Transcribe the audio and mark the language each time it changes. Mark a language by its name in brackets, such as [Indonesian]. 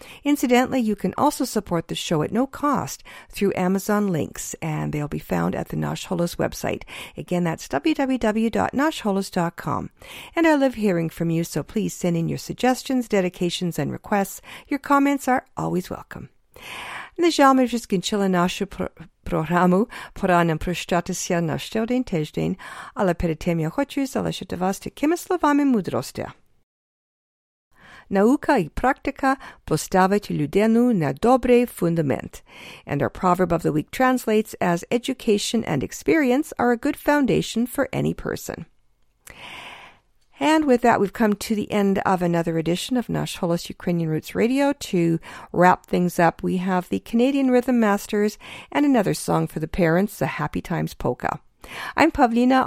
[English] Incidentally, you can also support the show at no cost through Amazon links, and they'll be found at the Nash Holos website. Again, that's www.nashholos.com. And I love hearing from you, so please send in your suggestions, dedications, and requests. Your comments are always welcome. [Ukrainian] Нажаємо вже скінчили нашу програму. Пора нам прощатися на ще один тиждень. Але перед тим я хочу залишити вас такими словами мудрості. Наука і практика поставить людину на добрий фундамент. [English] And our proverb of the week translates as education and experience are a good foundation for any person. And with that, we've come to the end of another edition of Nash Holos Ukrainian Roots Radio. To wrap things up, we have the Canadian Rhythm Masters and another song for the parents, the Happy Times Polka. I'm Pavlina.